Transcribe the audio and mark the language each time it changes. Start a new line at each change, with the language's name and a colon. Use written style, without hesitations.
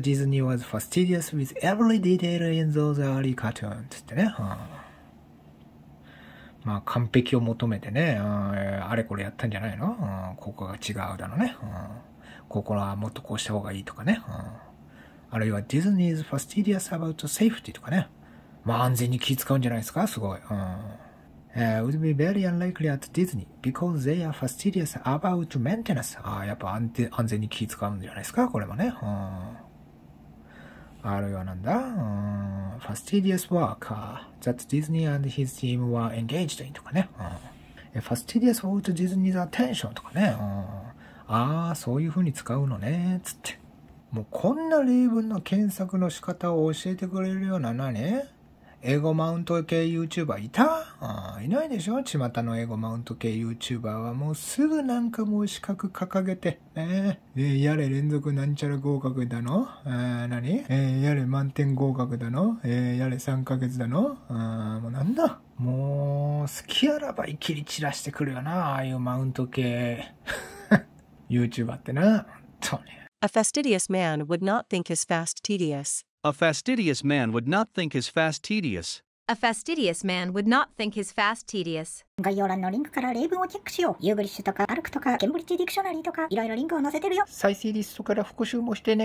English: Disney was fastidious with every detail in those early cartoons
Japanese: つってね、まあ完璧を求めてね、あれこれやったんじゃないの、ここが違うだろうね、ここはもっとこうした方がいいとかね、あるいはディズニーズファスティディアスアバウトセーフティとかね、まあ安全に気遣うんじゃないですかすごい、
English: would be very unlikely at Disney because they are fastidious about maintenance.
Japanese: ああ、やっぱ安全に気遣うんじゃないですか、これもね。うん、あるようなんだ。うん、
English: fastidious work that Disney and his team were engaged in
Japanese: とかね。うん、
English: fastidious Walt Disney's attention
Japanese: とかね。うん、ああ、そういう風に使うのね、つって。もうこんな例文の検索の仕方を教えてくれるような何英語マウント系 YouTuber いた？あー、いないでしょ？巷の英語マウント系 YouTuber はもうすぐなんかもう資格掲げて、やれ連続なんちゃら合格だの？やれ満点合格だの？やれ3ヶ月だの？もうなんだ？もう隙あらば一気に散らしてくるよな、ああいうマウント系YouTuber ってな。とね。
English: A fastidious man would not think his fast tedious. A fastidious man would not think his fast tedious. A fastidious man would not think his fast tedious.
Japanese: 概要欄のリンクから例文をチェックしよう。ユーグリッシュとかアルクとかケンブリッジディクショナリーとかいろいろリンクを載せてるよ。再生リストから復習もしてね。